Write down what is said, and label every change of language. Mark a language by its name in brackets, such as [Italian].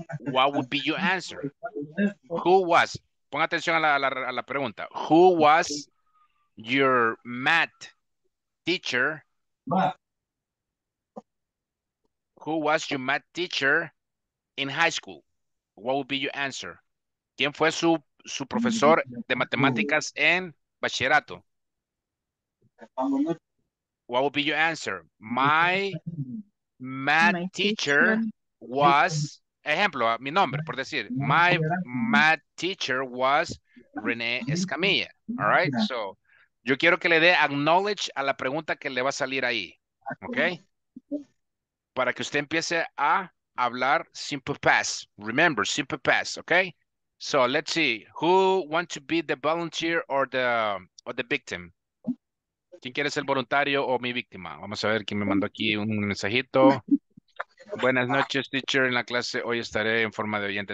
[English] What would be your answer? Who was? [Spanish] Pon atención a la pregunta. [English] Who was your math teacher? Who was your math teacher in high school? What would be your answer? [Spanish] ¿Quién fue su profesor de matemáticas en bachillerato? [English] What would be your answer? My math teacher was, [Spanish] ejemplo, mi nombre, por decir, [English] my math teacher was René Escamilla. All right? [Spanish] So, yo quiero que le dé acknowledge a la pregunta que le va a salir ahí. Okay? Para que usted empiece a hablar simple past. [English] Remember, simple past. Okay? So, let's see. Who wants to be the volunteer or the victim? [Spanish] ¿Quién quiere ser voluntario o mi víctima? Vamos a ver quién me mandó aquí un mensajito. Buenas noches, teacher. En la clase hoy estaré en forma de oyente.